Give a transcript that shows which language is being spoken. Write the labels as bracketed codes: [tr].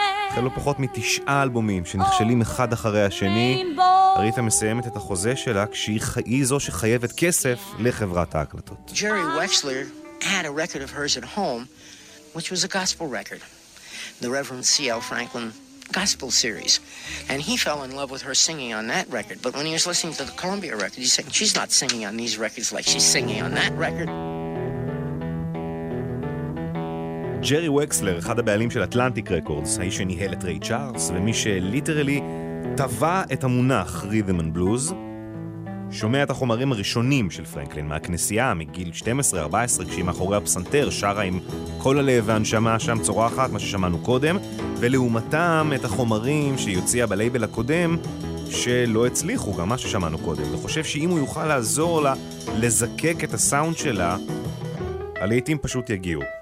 [he] אחרי לא פחות מ9 אלבומים שנכשלים אחד אחרי השני, אריתה מסיימת את החוזה שלה כשהיא זו שחייבת כסף לחברת ההקלטות. [en] ג'רי וקסלר had a record of hers at home, which was a gospel record. The Reverend C.L. Franklin gospel series. And he fell in love with her singing on that record. But when he was listening to the Columbia record, he said, she's not singing on these records like she's singing on that record. [he] ג'רי וקסלר, אחד הבעלים של אטלנטיק רקורדס, האיש שניהל את ריי צ'ארלס, ומי שליטרלי טבע את המונח ריד'ם אנד בלוז, שומע את החומרים הראשונים של פרנקלין מהכנסייה, מגיל 12-14, כשהיא מאחורי הפסנתר, שרה עם כל הלב והנשמה שם צורחת, מה ששמענו קודם, ולעומתם את החומרים שהיא הוציאה בלייבל הקודם, שלא הצליחו, גם מה ששמענו קודם, וחושב שאם הוא יוכל לעזור לה לזקק את הסאונד שלה, הלעיתים פשוט יגיעו.